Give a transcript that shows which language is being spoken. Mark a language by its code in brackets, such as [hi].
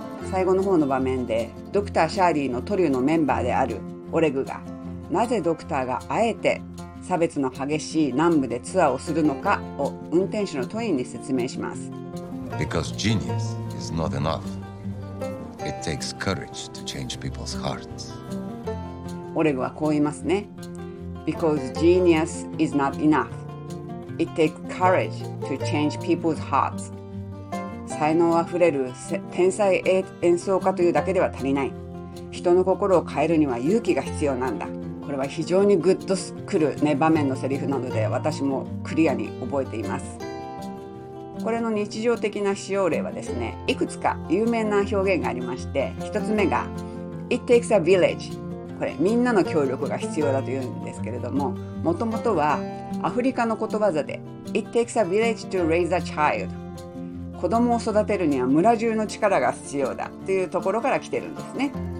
[ja] 最後の方の場面でドクター・シャーリーのトリューのメンバーであるオレグが、なぜドクターがあえて差別の激しい南部でツアーをするのかを運転手のトインに説明します。 [en] Because genius is not enough. It takes courage to change people's hearts. [ja] オレグはこう言いますね。 [en] Because genius is not enough. It takes courage to change people's hearts. [ja] 才能あふれる天才演奏家というだけでは足りない。人の心を変えるには勇気が必要なんだ。これは非常にグッとくる、ね、場面のセリフなので私もクリアに覚えています。これの日常的な使用例はですね、いくつか有名な表現がありまして、一つ目が [en] It takes a village、 [ja] これみんなの協力が必要だというんですけれども、もともとはアフリカのことわざで [en] It takes a village to raise a child、 [ja] 子供を育てるには村中の力が必要だというところから来てるんですね。